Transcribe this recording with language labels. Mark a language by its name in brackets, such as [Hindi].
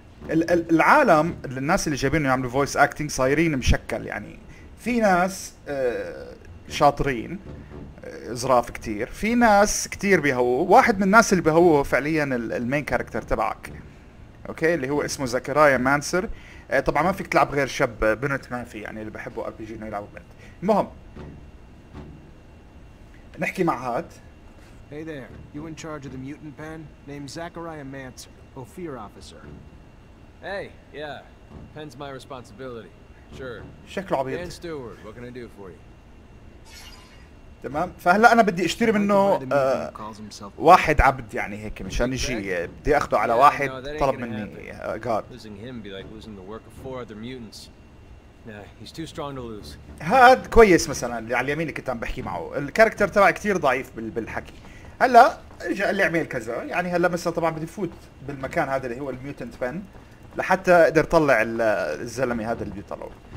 [Arabic] العالم للناس اللي جايبينه يعملوا فويس اكتنج صايرين مشكل، يعني في ناس شاطرين ازراف كتير، في ناس كتير بيهووا. واحد من الناس اللي بيهووا فعليا المين كاركتر تبعك، اوكي، اللي هو اسمه زكريا مانسر. طبعا ما فيك تلعب غير شاب، بنت ما في، يعني اللي بحبوا ار بي جي انه يلعبوا بنت. المهم نحكي مع هاد. [English] Hey there, you in charge of the mutant pen named Zachariah Mance, Ophir officer. Hey, yeah, pen's my responsibility. Sure. [Arabic] شكله عبيط. [English] Dan Stewart, what can I do for you? [Arabic] تمام، فهلا انا بدي اشتري منه واحد عبد، يعني هيك مشان يجي بدي اخده على واحد طلب مني [English] Jared. Losing him be like losing the work of four other mutants. Nah, he's too strong to lose. [Arabic] هاد كويس مثلا، اللي على اليمين اللي كنت عم بحكي معه، الكاركتر تبعي كتير ضعيف بالحكي. هلا اجى قال لي اعمل كذا، يعني هلا مثلا طبعا بدي فوت بالمكان هذا اللي هو الميوتنت بن لحتى اقدر اطلع الزلمه هذا اللي بيطلعه.